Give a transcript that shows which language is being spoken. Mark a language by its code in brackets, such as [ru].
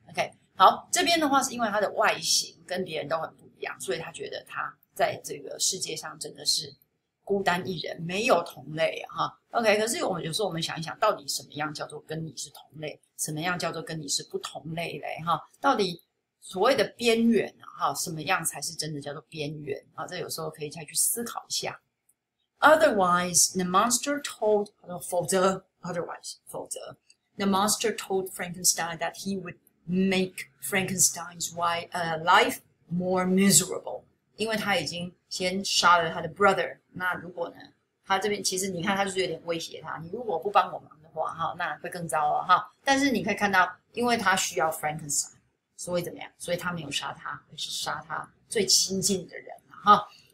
[zh] OK，好，这边的话是因为它的外形跟别人都很不一样，所以他觉得他在这个世界上真的是孤单一人，没有同类哈。 OK，可是我们有时候我们想一想，到底什么样叫做跟你是同类，什么样叫做跟你是不同类嘞哈？到底所谓的边缘哈，什么样才是真的叫做边缘啊？这有时候可以再去思考一下。 [en] Otherwise, the monster told, [zh] 否则, [en] otherwise, 否则, the monster told Frankenstein that he would make Frankenstein's wife, life more miserable. [zh] 因为他已经先杀了他的 brother, 那如果呢，他这边其实你看他就是有点威胁他，你如果不帮我忙的话，哈，那会更糟了，哈。但是你可以看到，因为他需要 Frankenstein，所以怎么样？所以他没有杀他，而是杀他最亲近的人，哈。